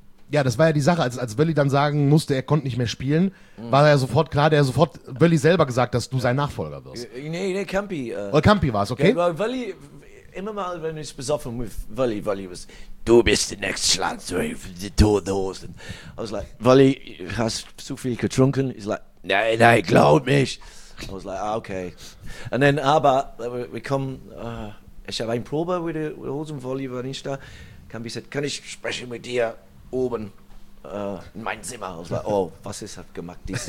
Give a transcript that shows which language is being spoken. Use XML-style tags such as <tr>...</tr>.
<de>Das war ja die Sache, als Wölli dann sagen musste, er konnte nicht mehr spielen, war er sofort klar, der sofort Wölli selber gesagt, dass du sein Nachfolger wirst. Nee, Campi. Campi war es, okay? Ja, Wölli, immer mal, wenn ich besoffen mit Wölli war, du bist der nächste Schlagzeug für die Toten Hosen.</de> <en>I was like,</en> <de>Wölli, hast du zu viel getrunken?</de> <en>He's like,</en> <de>nein, glaub mich.</de> <en>I was like, ah, okay. And then, aber, we come...</en> <de>Ich habe eine Probe mit der Hosenvolley, war nicht da. Campi sagt, kann ich sprechen mit dir oben in meinem Zimmer? Ich war, oh, was ist das gemacht?</de>